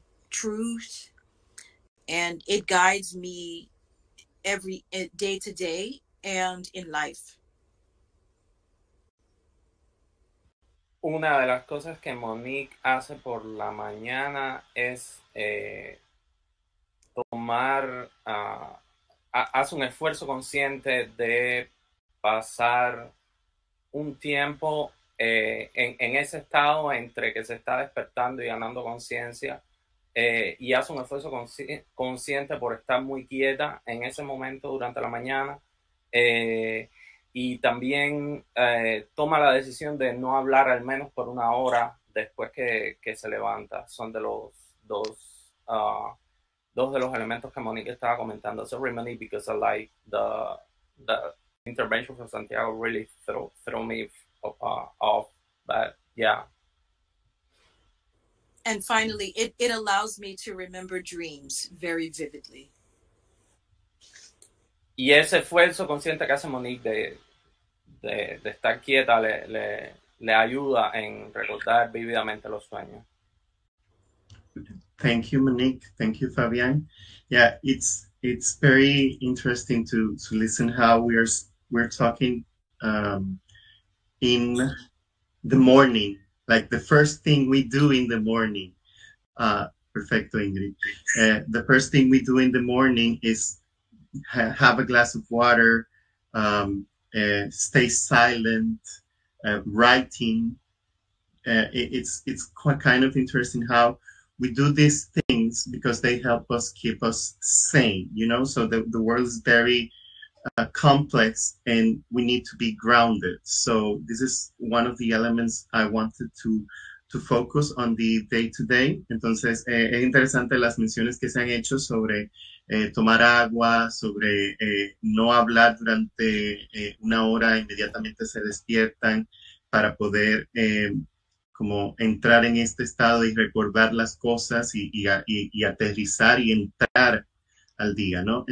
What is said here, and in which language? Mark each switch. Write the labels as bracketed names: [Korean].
[English] Truth, and it guides me every day to day and in life. [Spanish] Una de las cosas que Monique hace por la mañana es hace un esfuerzo consciente de pasar un tiempo en ese estado entre que se está despertando y ganando conciencia y hace un esfuerzo consciente por estar muy quieta en ese momento durante la mañana y también toma la decisión de no hablar al menos por una hora después que se levanta. Son de los dos dos de los elementos que Monique estaba comentando. [English] So many because I like the intervention from Santiago really threw me off, but yeah. And finally, it allows me to remember dreams very vividly. [Spanish] Y ese esfuerzo consciente que hace Monique de estar quieta le ayuda en recordar vívidamente los sueños. [English] Thank you, Monique. Thank you, Fabian. Yeah, it's very interesting to listen how we're talking in the morning, like the first thing we do in the morning. Perfecto, Ingrid. The first thing we do in the morning is have a glass of water, stay silent, writing. It's quite kind of interesting how we do these things because they help us keep us sane, you know? So the world is very complex and we need to be grounded. So this is one of the elements I wanted to focus on the day-to-day. [Spanish] Entonces, es interesante las menciones que se han hecho sobre tomar agua, sobre no hablar durante una hora, inmediatamente se despiertan para poder como entrar en este estado y recordar las cosas y aterrizar y entrar al día, ¿no?